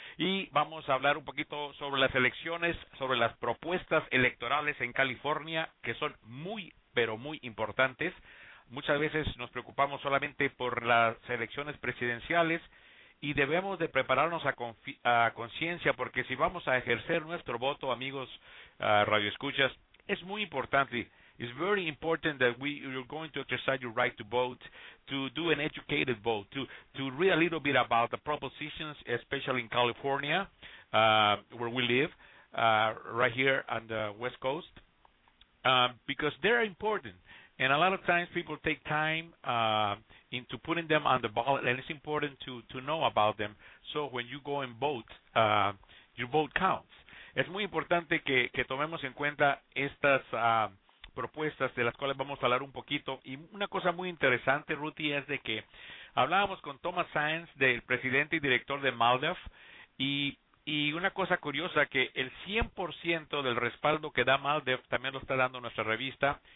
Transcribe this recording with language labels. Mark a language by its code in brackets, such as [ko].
[es] Y vamos a hablar un poquito sobre las elecciones, sobre las propuestas electorales en California, que son muy, pero muy importantes. Muchas veces nos preocupamos solamente por las elecciones presidenciales y debemos de prepararnos a conciencia, porque si vamos a ejercer nuestro voto, amigos radioescuchas, es muy importante. [en] It's very important that you're going to exercise your right to vote, to do an educated vote, to read a little bit about the propositions, especially in California, where we live, right here on the West Coast, because they're important. And a lot of times people take time into putting them on the ballot, and it's important to know about them. So when you go and vote, your vote counts. [es] Es muy importante que tomemos en cuenta estas propuestas de las cuales vamos a hablar un poquito. Y una cosa muy interesante, Ruti, es de que hablábamos con Thomas Sainz, del presidente y director de MALDEF, y una cosa curiosa, que el 100% del respaldo que da MALDEF también lo está dando nuestra revista.